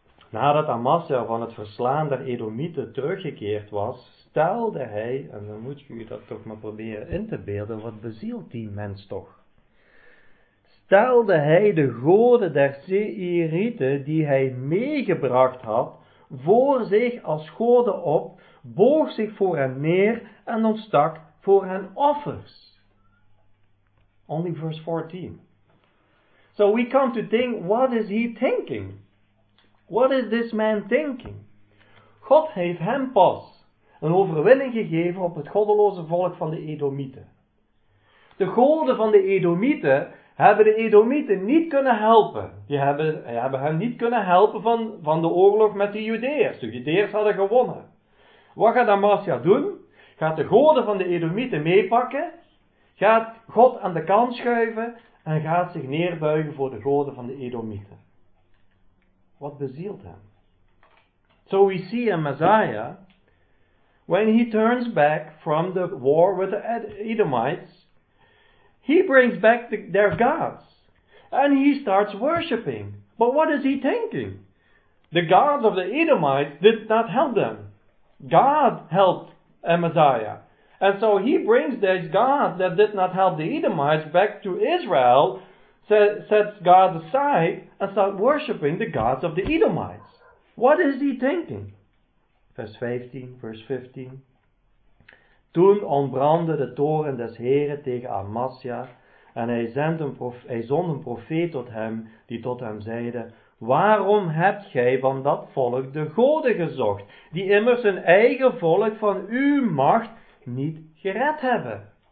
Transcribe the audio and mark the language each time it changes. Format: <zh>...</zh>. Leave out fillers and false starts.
<nl>Nadat Amasja van het verslaan der Edomieten teruggekeerd was, stelde hij, en dan moet je dat toch maar proberen in te beelden, wat bezielt die mens toch? Stelde hij de goden der Seirieten die hij meegebracht had, voor zich als goden op, boog zich voor hen neer en ontstak voor hen offers.</nl> <en>Only verse 14. So we come to think, what is he thinking? What is this man thinking?</en> <nl>God heeft hem pas een overwinning gegeven op het goddeloze volk van de Edomieten. De goden van de Edomieten hebben de Edomieten niet kunnen helpen. Die hebben hen niet kunnen helpen van de oorlog met de Judeërs. De Judeërs hadden gewonnen. Wat gaat Amasja doen? Gaat de goden van de Edomieten meepakken? Gaat God aan de kant schuiven en gaat zich neerbuigen voor de goden van de Edomieten? Wat bezielt hem?</nl> <en>So we see a Messiah, when he turns back from the war with the Edomites, he brings back their gods. And he starts worshiping. But what is he thinking? The gods of the Edomites did not help them. God helped a Messiah. And so he brings these gods that did not help the Edomites back to Israel, sets God aside and start worshiping the gods of the Edomites. What is he thinking? Verse 15.</en> <nl>Toen ontbrandde de toren des Heren tegen Amasja en hij zond een profeet tot hem die tot hem zeide, waarom hebt gij van dat volk de goden gezocht, die immers hun eigen volk van uw macht niet gered hebben?</nl>